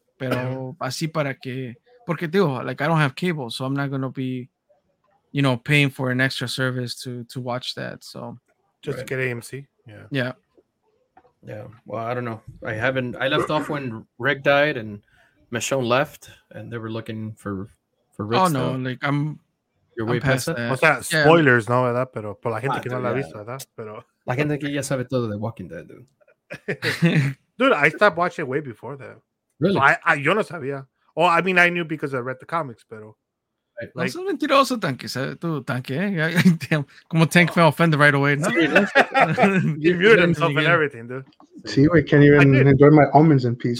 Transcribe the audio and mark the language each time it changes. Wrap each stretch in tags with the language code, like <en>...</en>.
<es>Pero así para que, porque digo,</es> <en>like, I don't have cable, so I'm not going to be, you know, paying for an extra service to watch that, so. Just right. To get AMC? Yeah. Yeah. Yeah. Well, I don't know. I left off when Rick died and Michonne left, and they were looking for Rick. Oh no! Though. Like you're way I'm past that.</en> <es>O sea, yeah. Spoilers, no, verdad? Pero por la gente que no la ha visto, verdad? Pero la gente que ya sabe todo de Walking Dead, dude.</es> <en>Dude, I stopped watching way before that. Really? So I</en> <es>yo no sabía.</es> <en>Oh, I mean, I knew because I read the comics,</en> <es>pero. Like, no, es un mentiroso, tanque, ¿sabes? Tú, tanque, ¿eh? Como Tank me ofende</es> <en>right away.</en> <es>No,</es> <en>you muted himself and everything, dude. Sí, we can't even enjoy my almonds in peace,</en>